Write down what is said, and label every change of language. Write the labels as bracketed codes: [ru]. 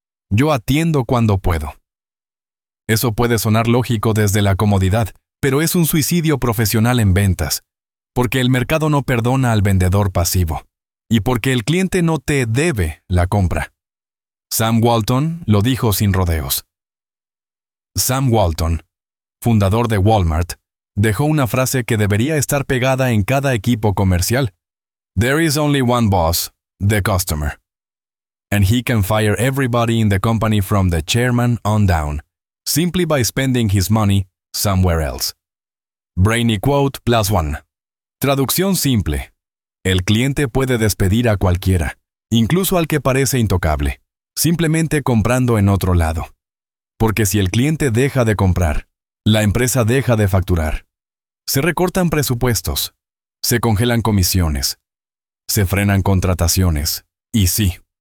[es] Yo atiendo cuando puedo. Eso puede sonar lógico desde la comodidad, pero es un suicidio profesional en ventas, porque el mercado no perdona al vendedor pasivo, y porque el cliente no te debe la compra. Sam Walton lo dijo sin rodeos. Sam Walton, fundador de Walmart, dejó una frase que debería estar pegada en cada equipo comercial. [en] There is only one boss, the customer. And he can fire everybody in the company from the chairman on down, simply by spending his money somewhere else. [es] Brainy quote plus one. Traducción simple. El cliente puede despedir a cualquiera, incluso al que parece intocable, simplemente comprando en otro lado. Porque si el cliente deja de comprar, la empresa deja de facturar. Se recortan presupuestos, se congelan comisiones, se frenan contrataciones, y sí.